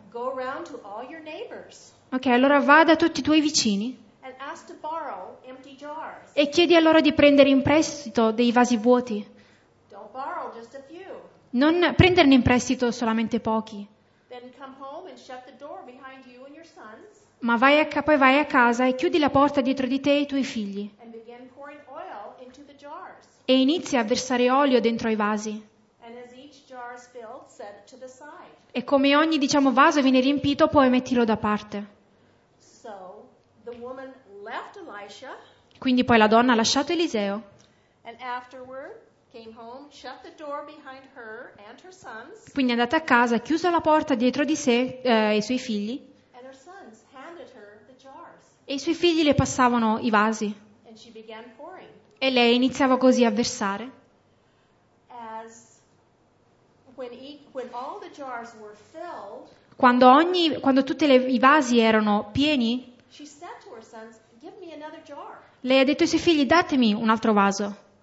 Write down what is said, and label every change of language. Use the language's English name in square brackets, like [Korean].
[English] go around to all your neighbors. [Italian] Ok, allora va da tutti i tuoi vicini [English] and ask to borrow empty jars. [Italian] E chiedi a loro di prendere in prestito dei vasi vuoti. [English] Don't borrow just a few. [Italian] Non prenderne in prestito solamente pochi. [English] Then come home and shut the door behind you and your sons. [Italian] Ma vai a casa e chiudi la porta dietro di te e i tuoi figli. [English] And begin pouring oil into the jars. [Italian] E inizia a versare olio dentro ai vasi. [English] And as each jar is filled, set it to the side. [Italian] E come ogni diciamo vaso viene riempito, puoi metterlo da parte. [English] So, the woman left Elisha. [Italian] Quindi poi la donna ha lasciato Eliseo. [English] And afterward came home, shut the door behind her and her sons. [Italian] Quindi è andata a casa, ha chiuso la porta dietro di sé e i suoi figli. [English] And her sons handed her the jars. [Italian] E i suoi figli le passavano i vasi. [English] And she began pouring. [Italian] E lei iniziava così a versare. [English] As when all the jars were filled, [Italian] quando tutti i vasi erano pieni, [English] she said to her sons, "Give me another jar." [Italian] Lei ha detto ai suoi figli, datemi un altro vaso.